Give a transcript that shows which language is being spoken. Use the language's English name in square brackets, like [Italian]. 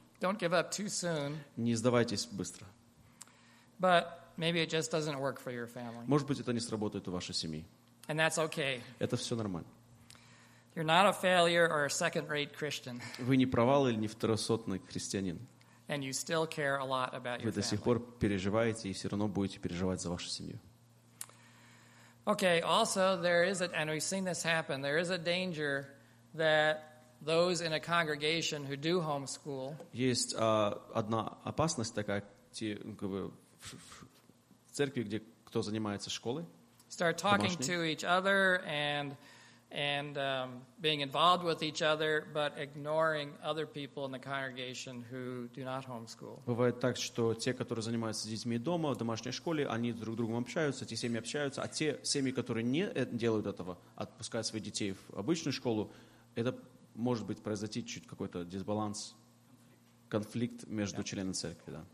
[English] Don't give up too soon. [Russian] Не сдавайтесь быстро. [English] But maybe it just doesn't work for your family. [Russian] Может быть, это не сработает у вашей семьи. [English] And that's okay. [Russian] Это все нормально. [English] You're not a failure or a second-rate Christian. [Russian] Вы не провал или не второсортный христианин. [English] And you still care a lot about your family. [Russian] Вы до сих пор переживаете и все равно будете переживать за вашу семью. [English] Okay. Also, there is and we've seen this happen. There is a danger that those in a congregation who do homeschool. [Russian] Есть одна опасность такая, в церкви, где кто занимается школой. [English] Start talking to each other and being involved with each other, but ignoring other people in the congregation who do not homeschool. [Russian] Бывает так, что те, которые занимаются с детьми дома, в домашней школе, они друг с другом общаются, те семьи общаются, а те семьи, которые не делают этого, отпускают своих детей в обычную школу, это может быть произойти чуть какой-то дисбаланс, конфликт между членами церкви, да.